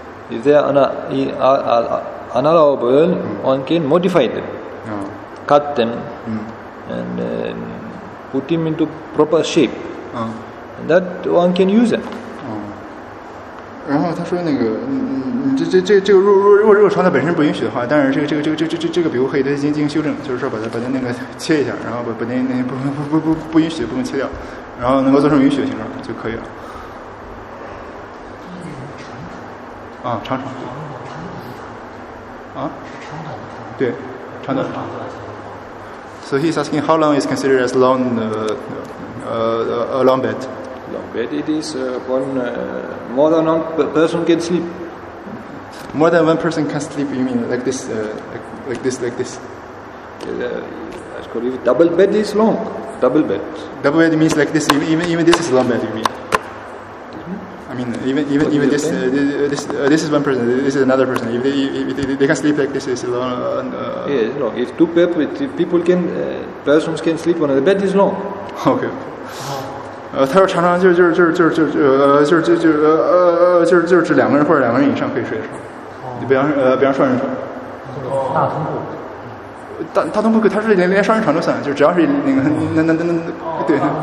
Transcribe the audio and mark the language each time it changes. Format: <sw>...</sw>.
<en>If they are unallowable, one can modify them, cut them, and put them into proper shape. And that one can use them.</en> <zh>然后他说那个，这个如果床本身不允许的话，但是这个比如可以进行修正，就是说把它那个切一下，然后把那不允许的部分切掉，然后能够做成允许的形状就可以了。啊，长床。啊？是长</zh> <en>短的床。对，长短的床。 So he's asking how long is considered as long, a long bed. Long bed. It is more than one person can sleep. More than one person can sleep. You mean like this, like this? I call it double bed is long. Double bed. Double bed means like this. Even this is long bed. You mean? I mean, even this is one person. This is another person. If they can sleep like this, it's long. Yes, long. If two people can, persons can sleep on the bed is long. Okay.</en> <zh>他说常常就是两个人或者两个人以上可以睡的床。比方双人床。大通铺。大通铺可他是连双人床都算，就只要是那对。</zh>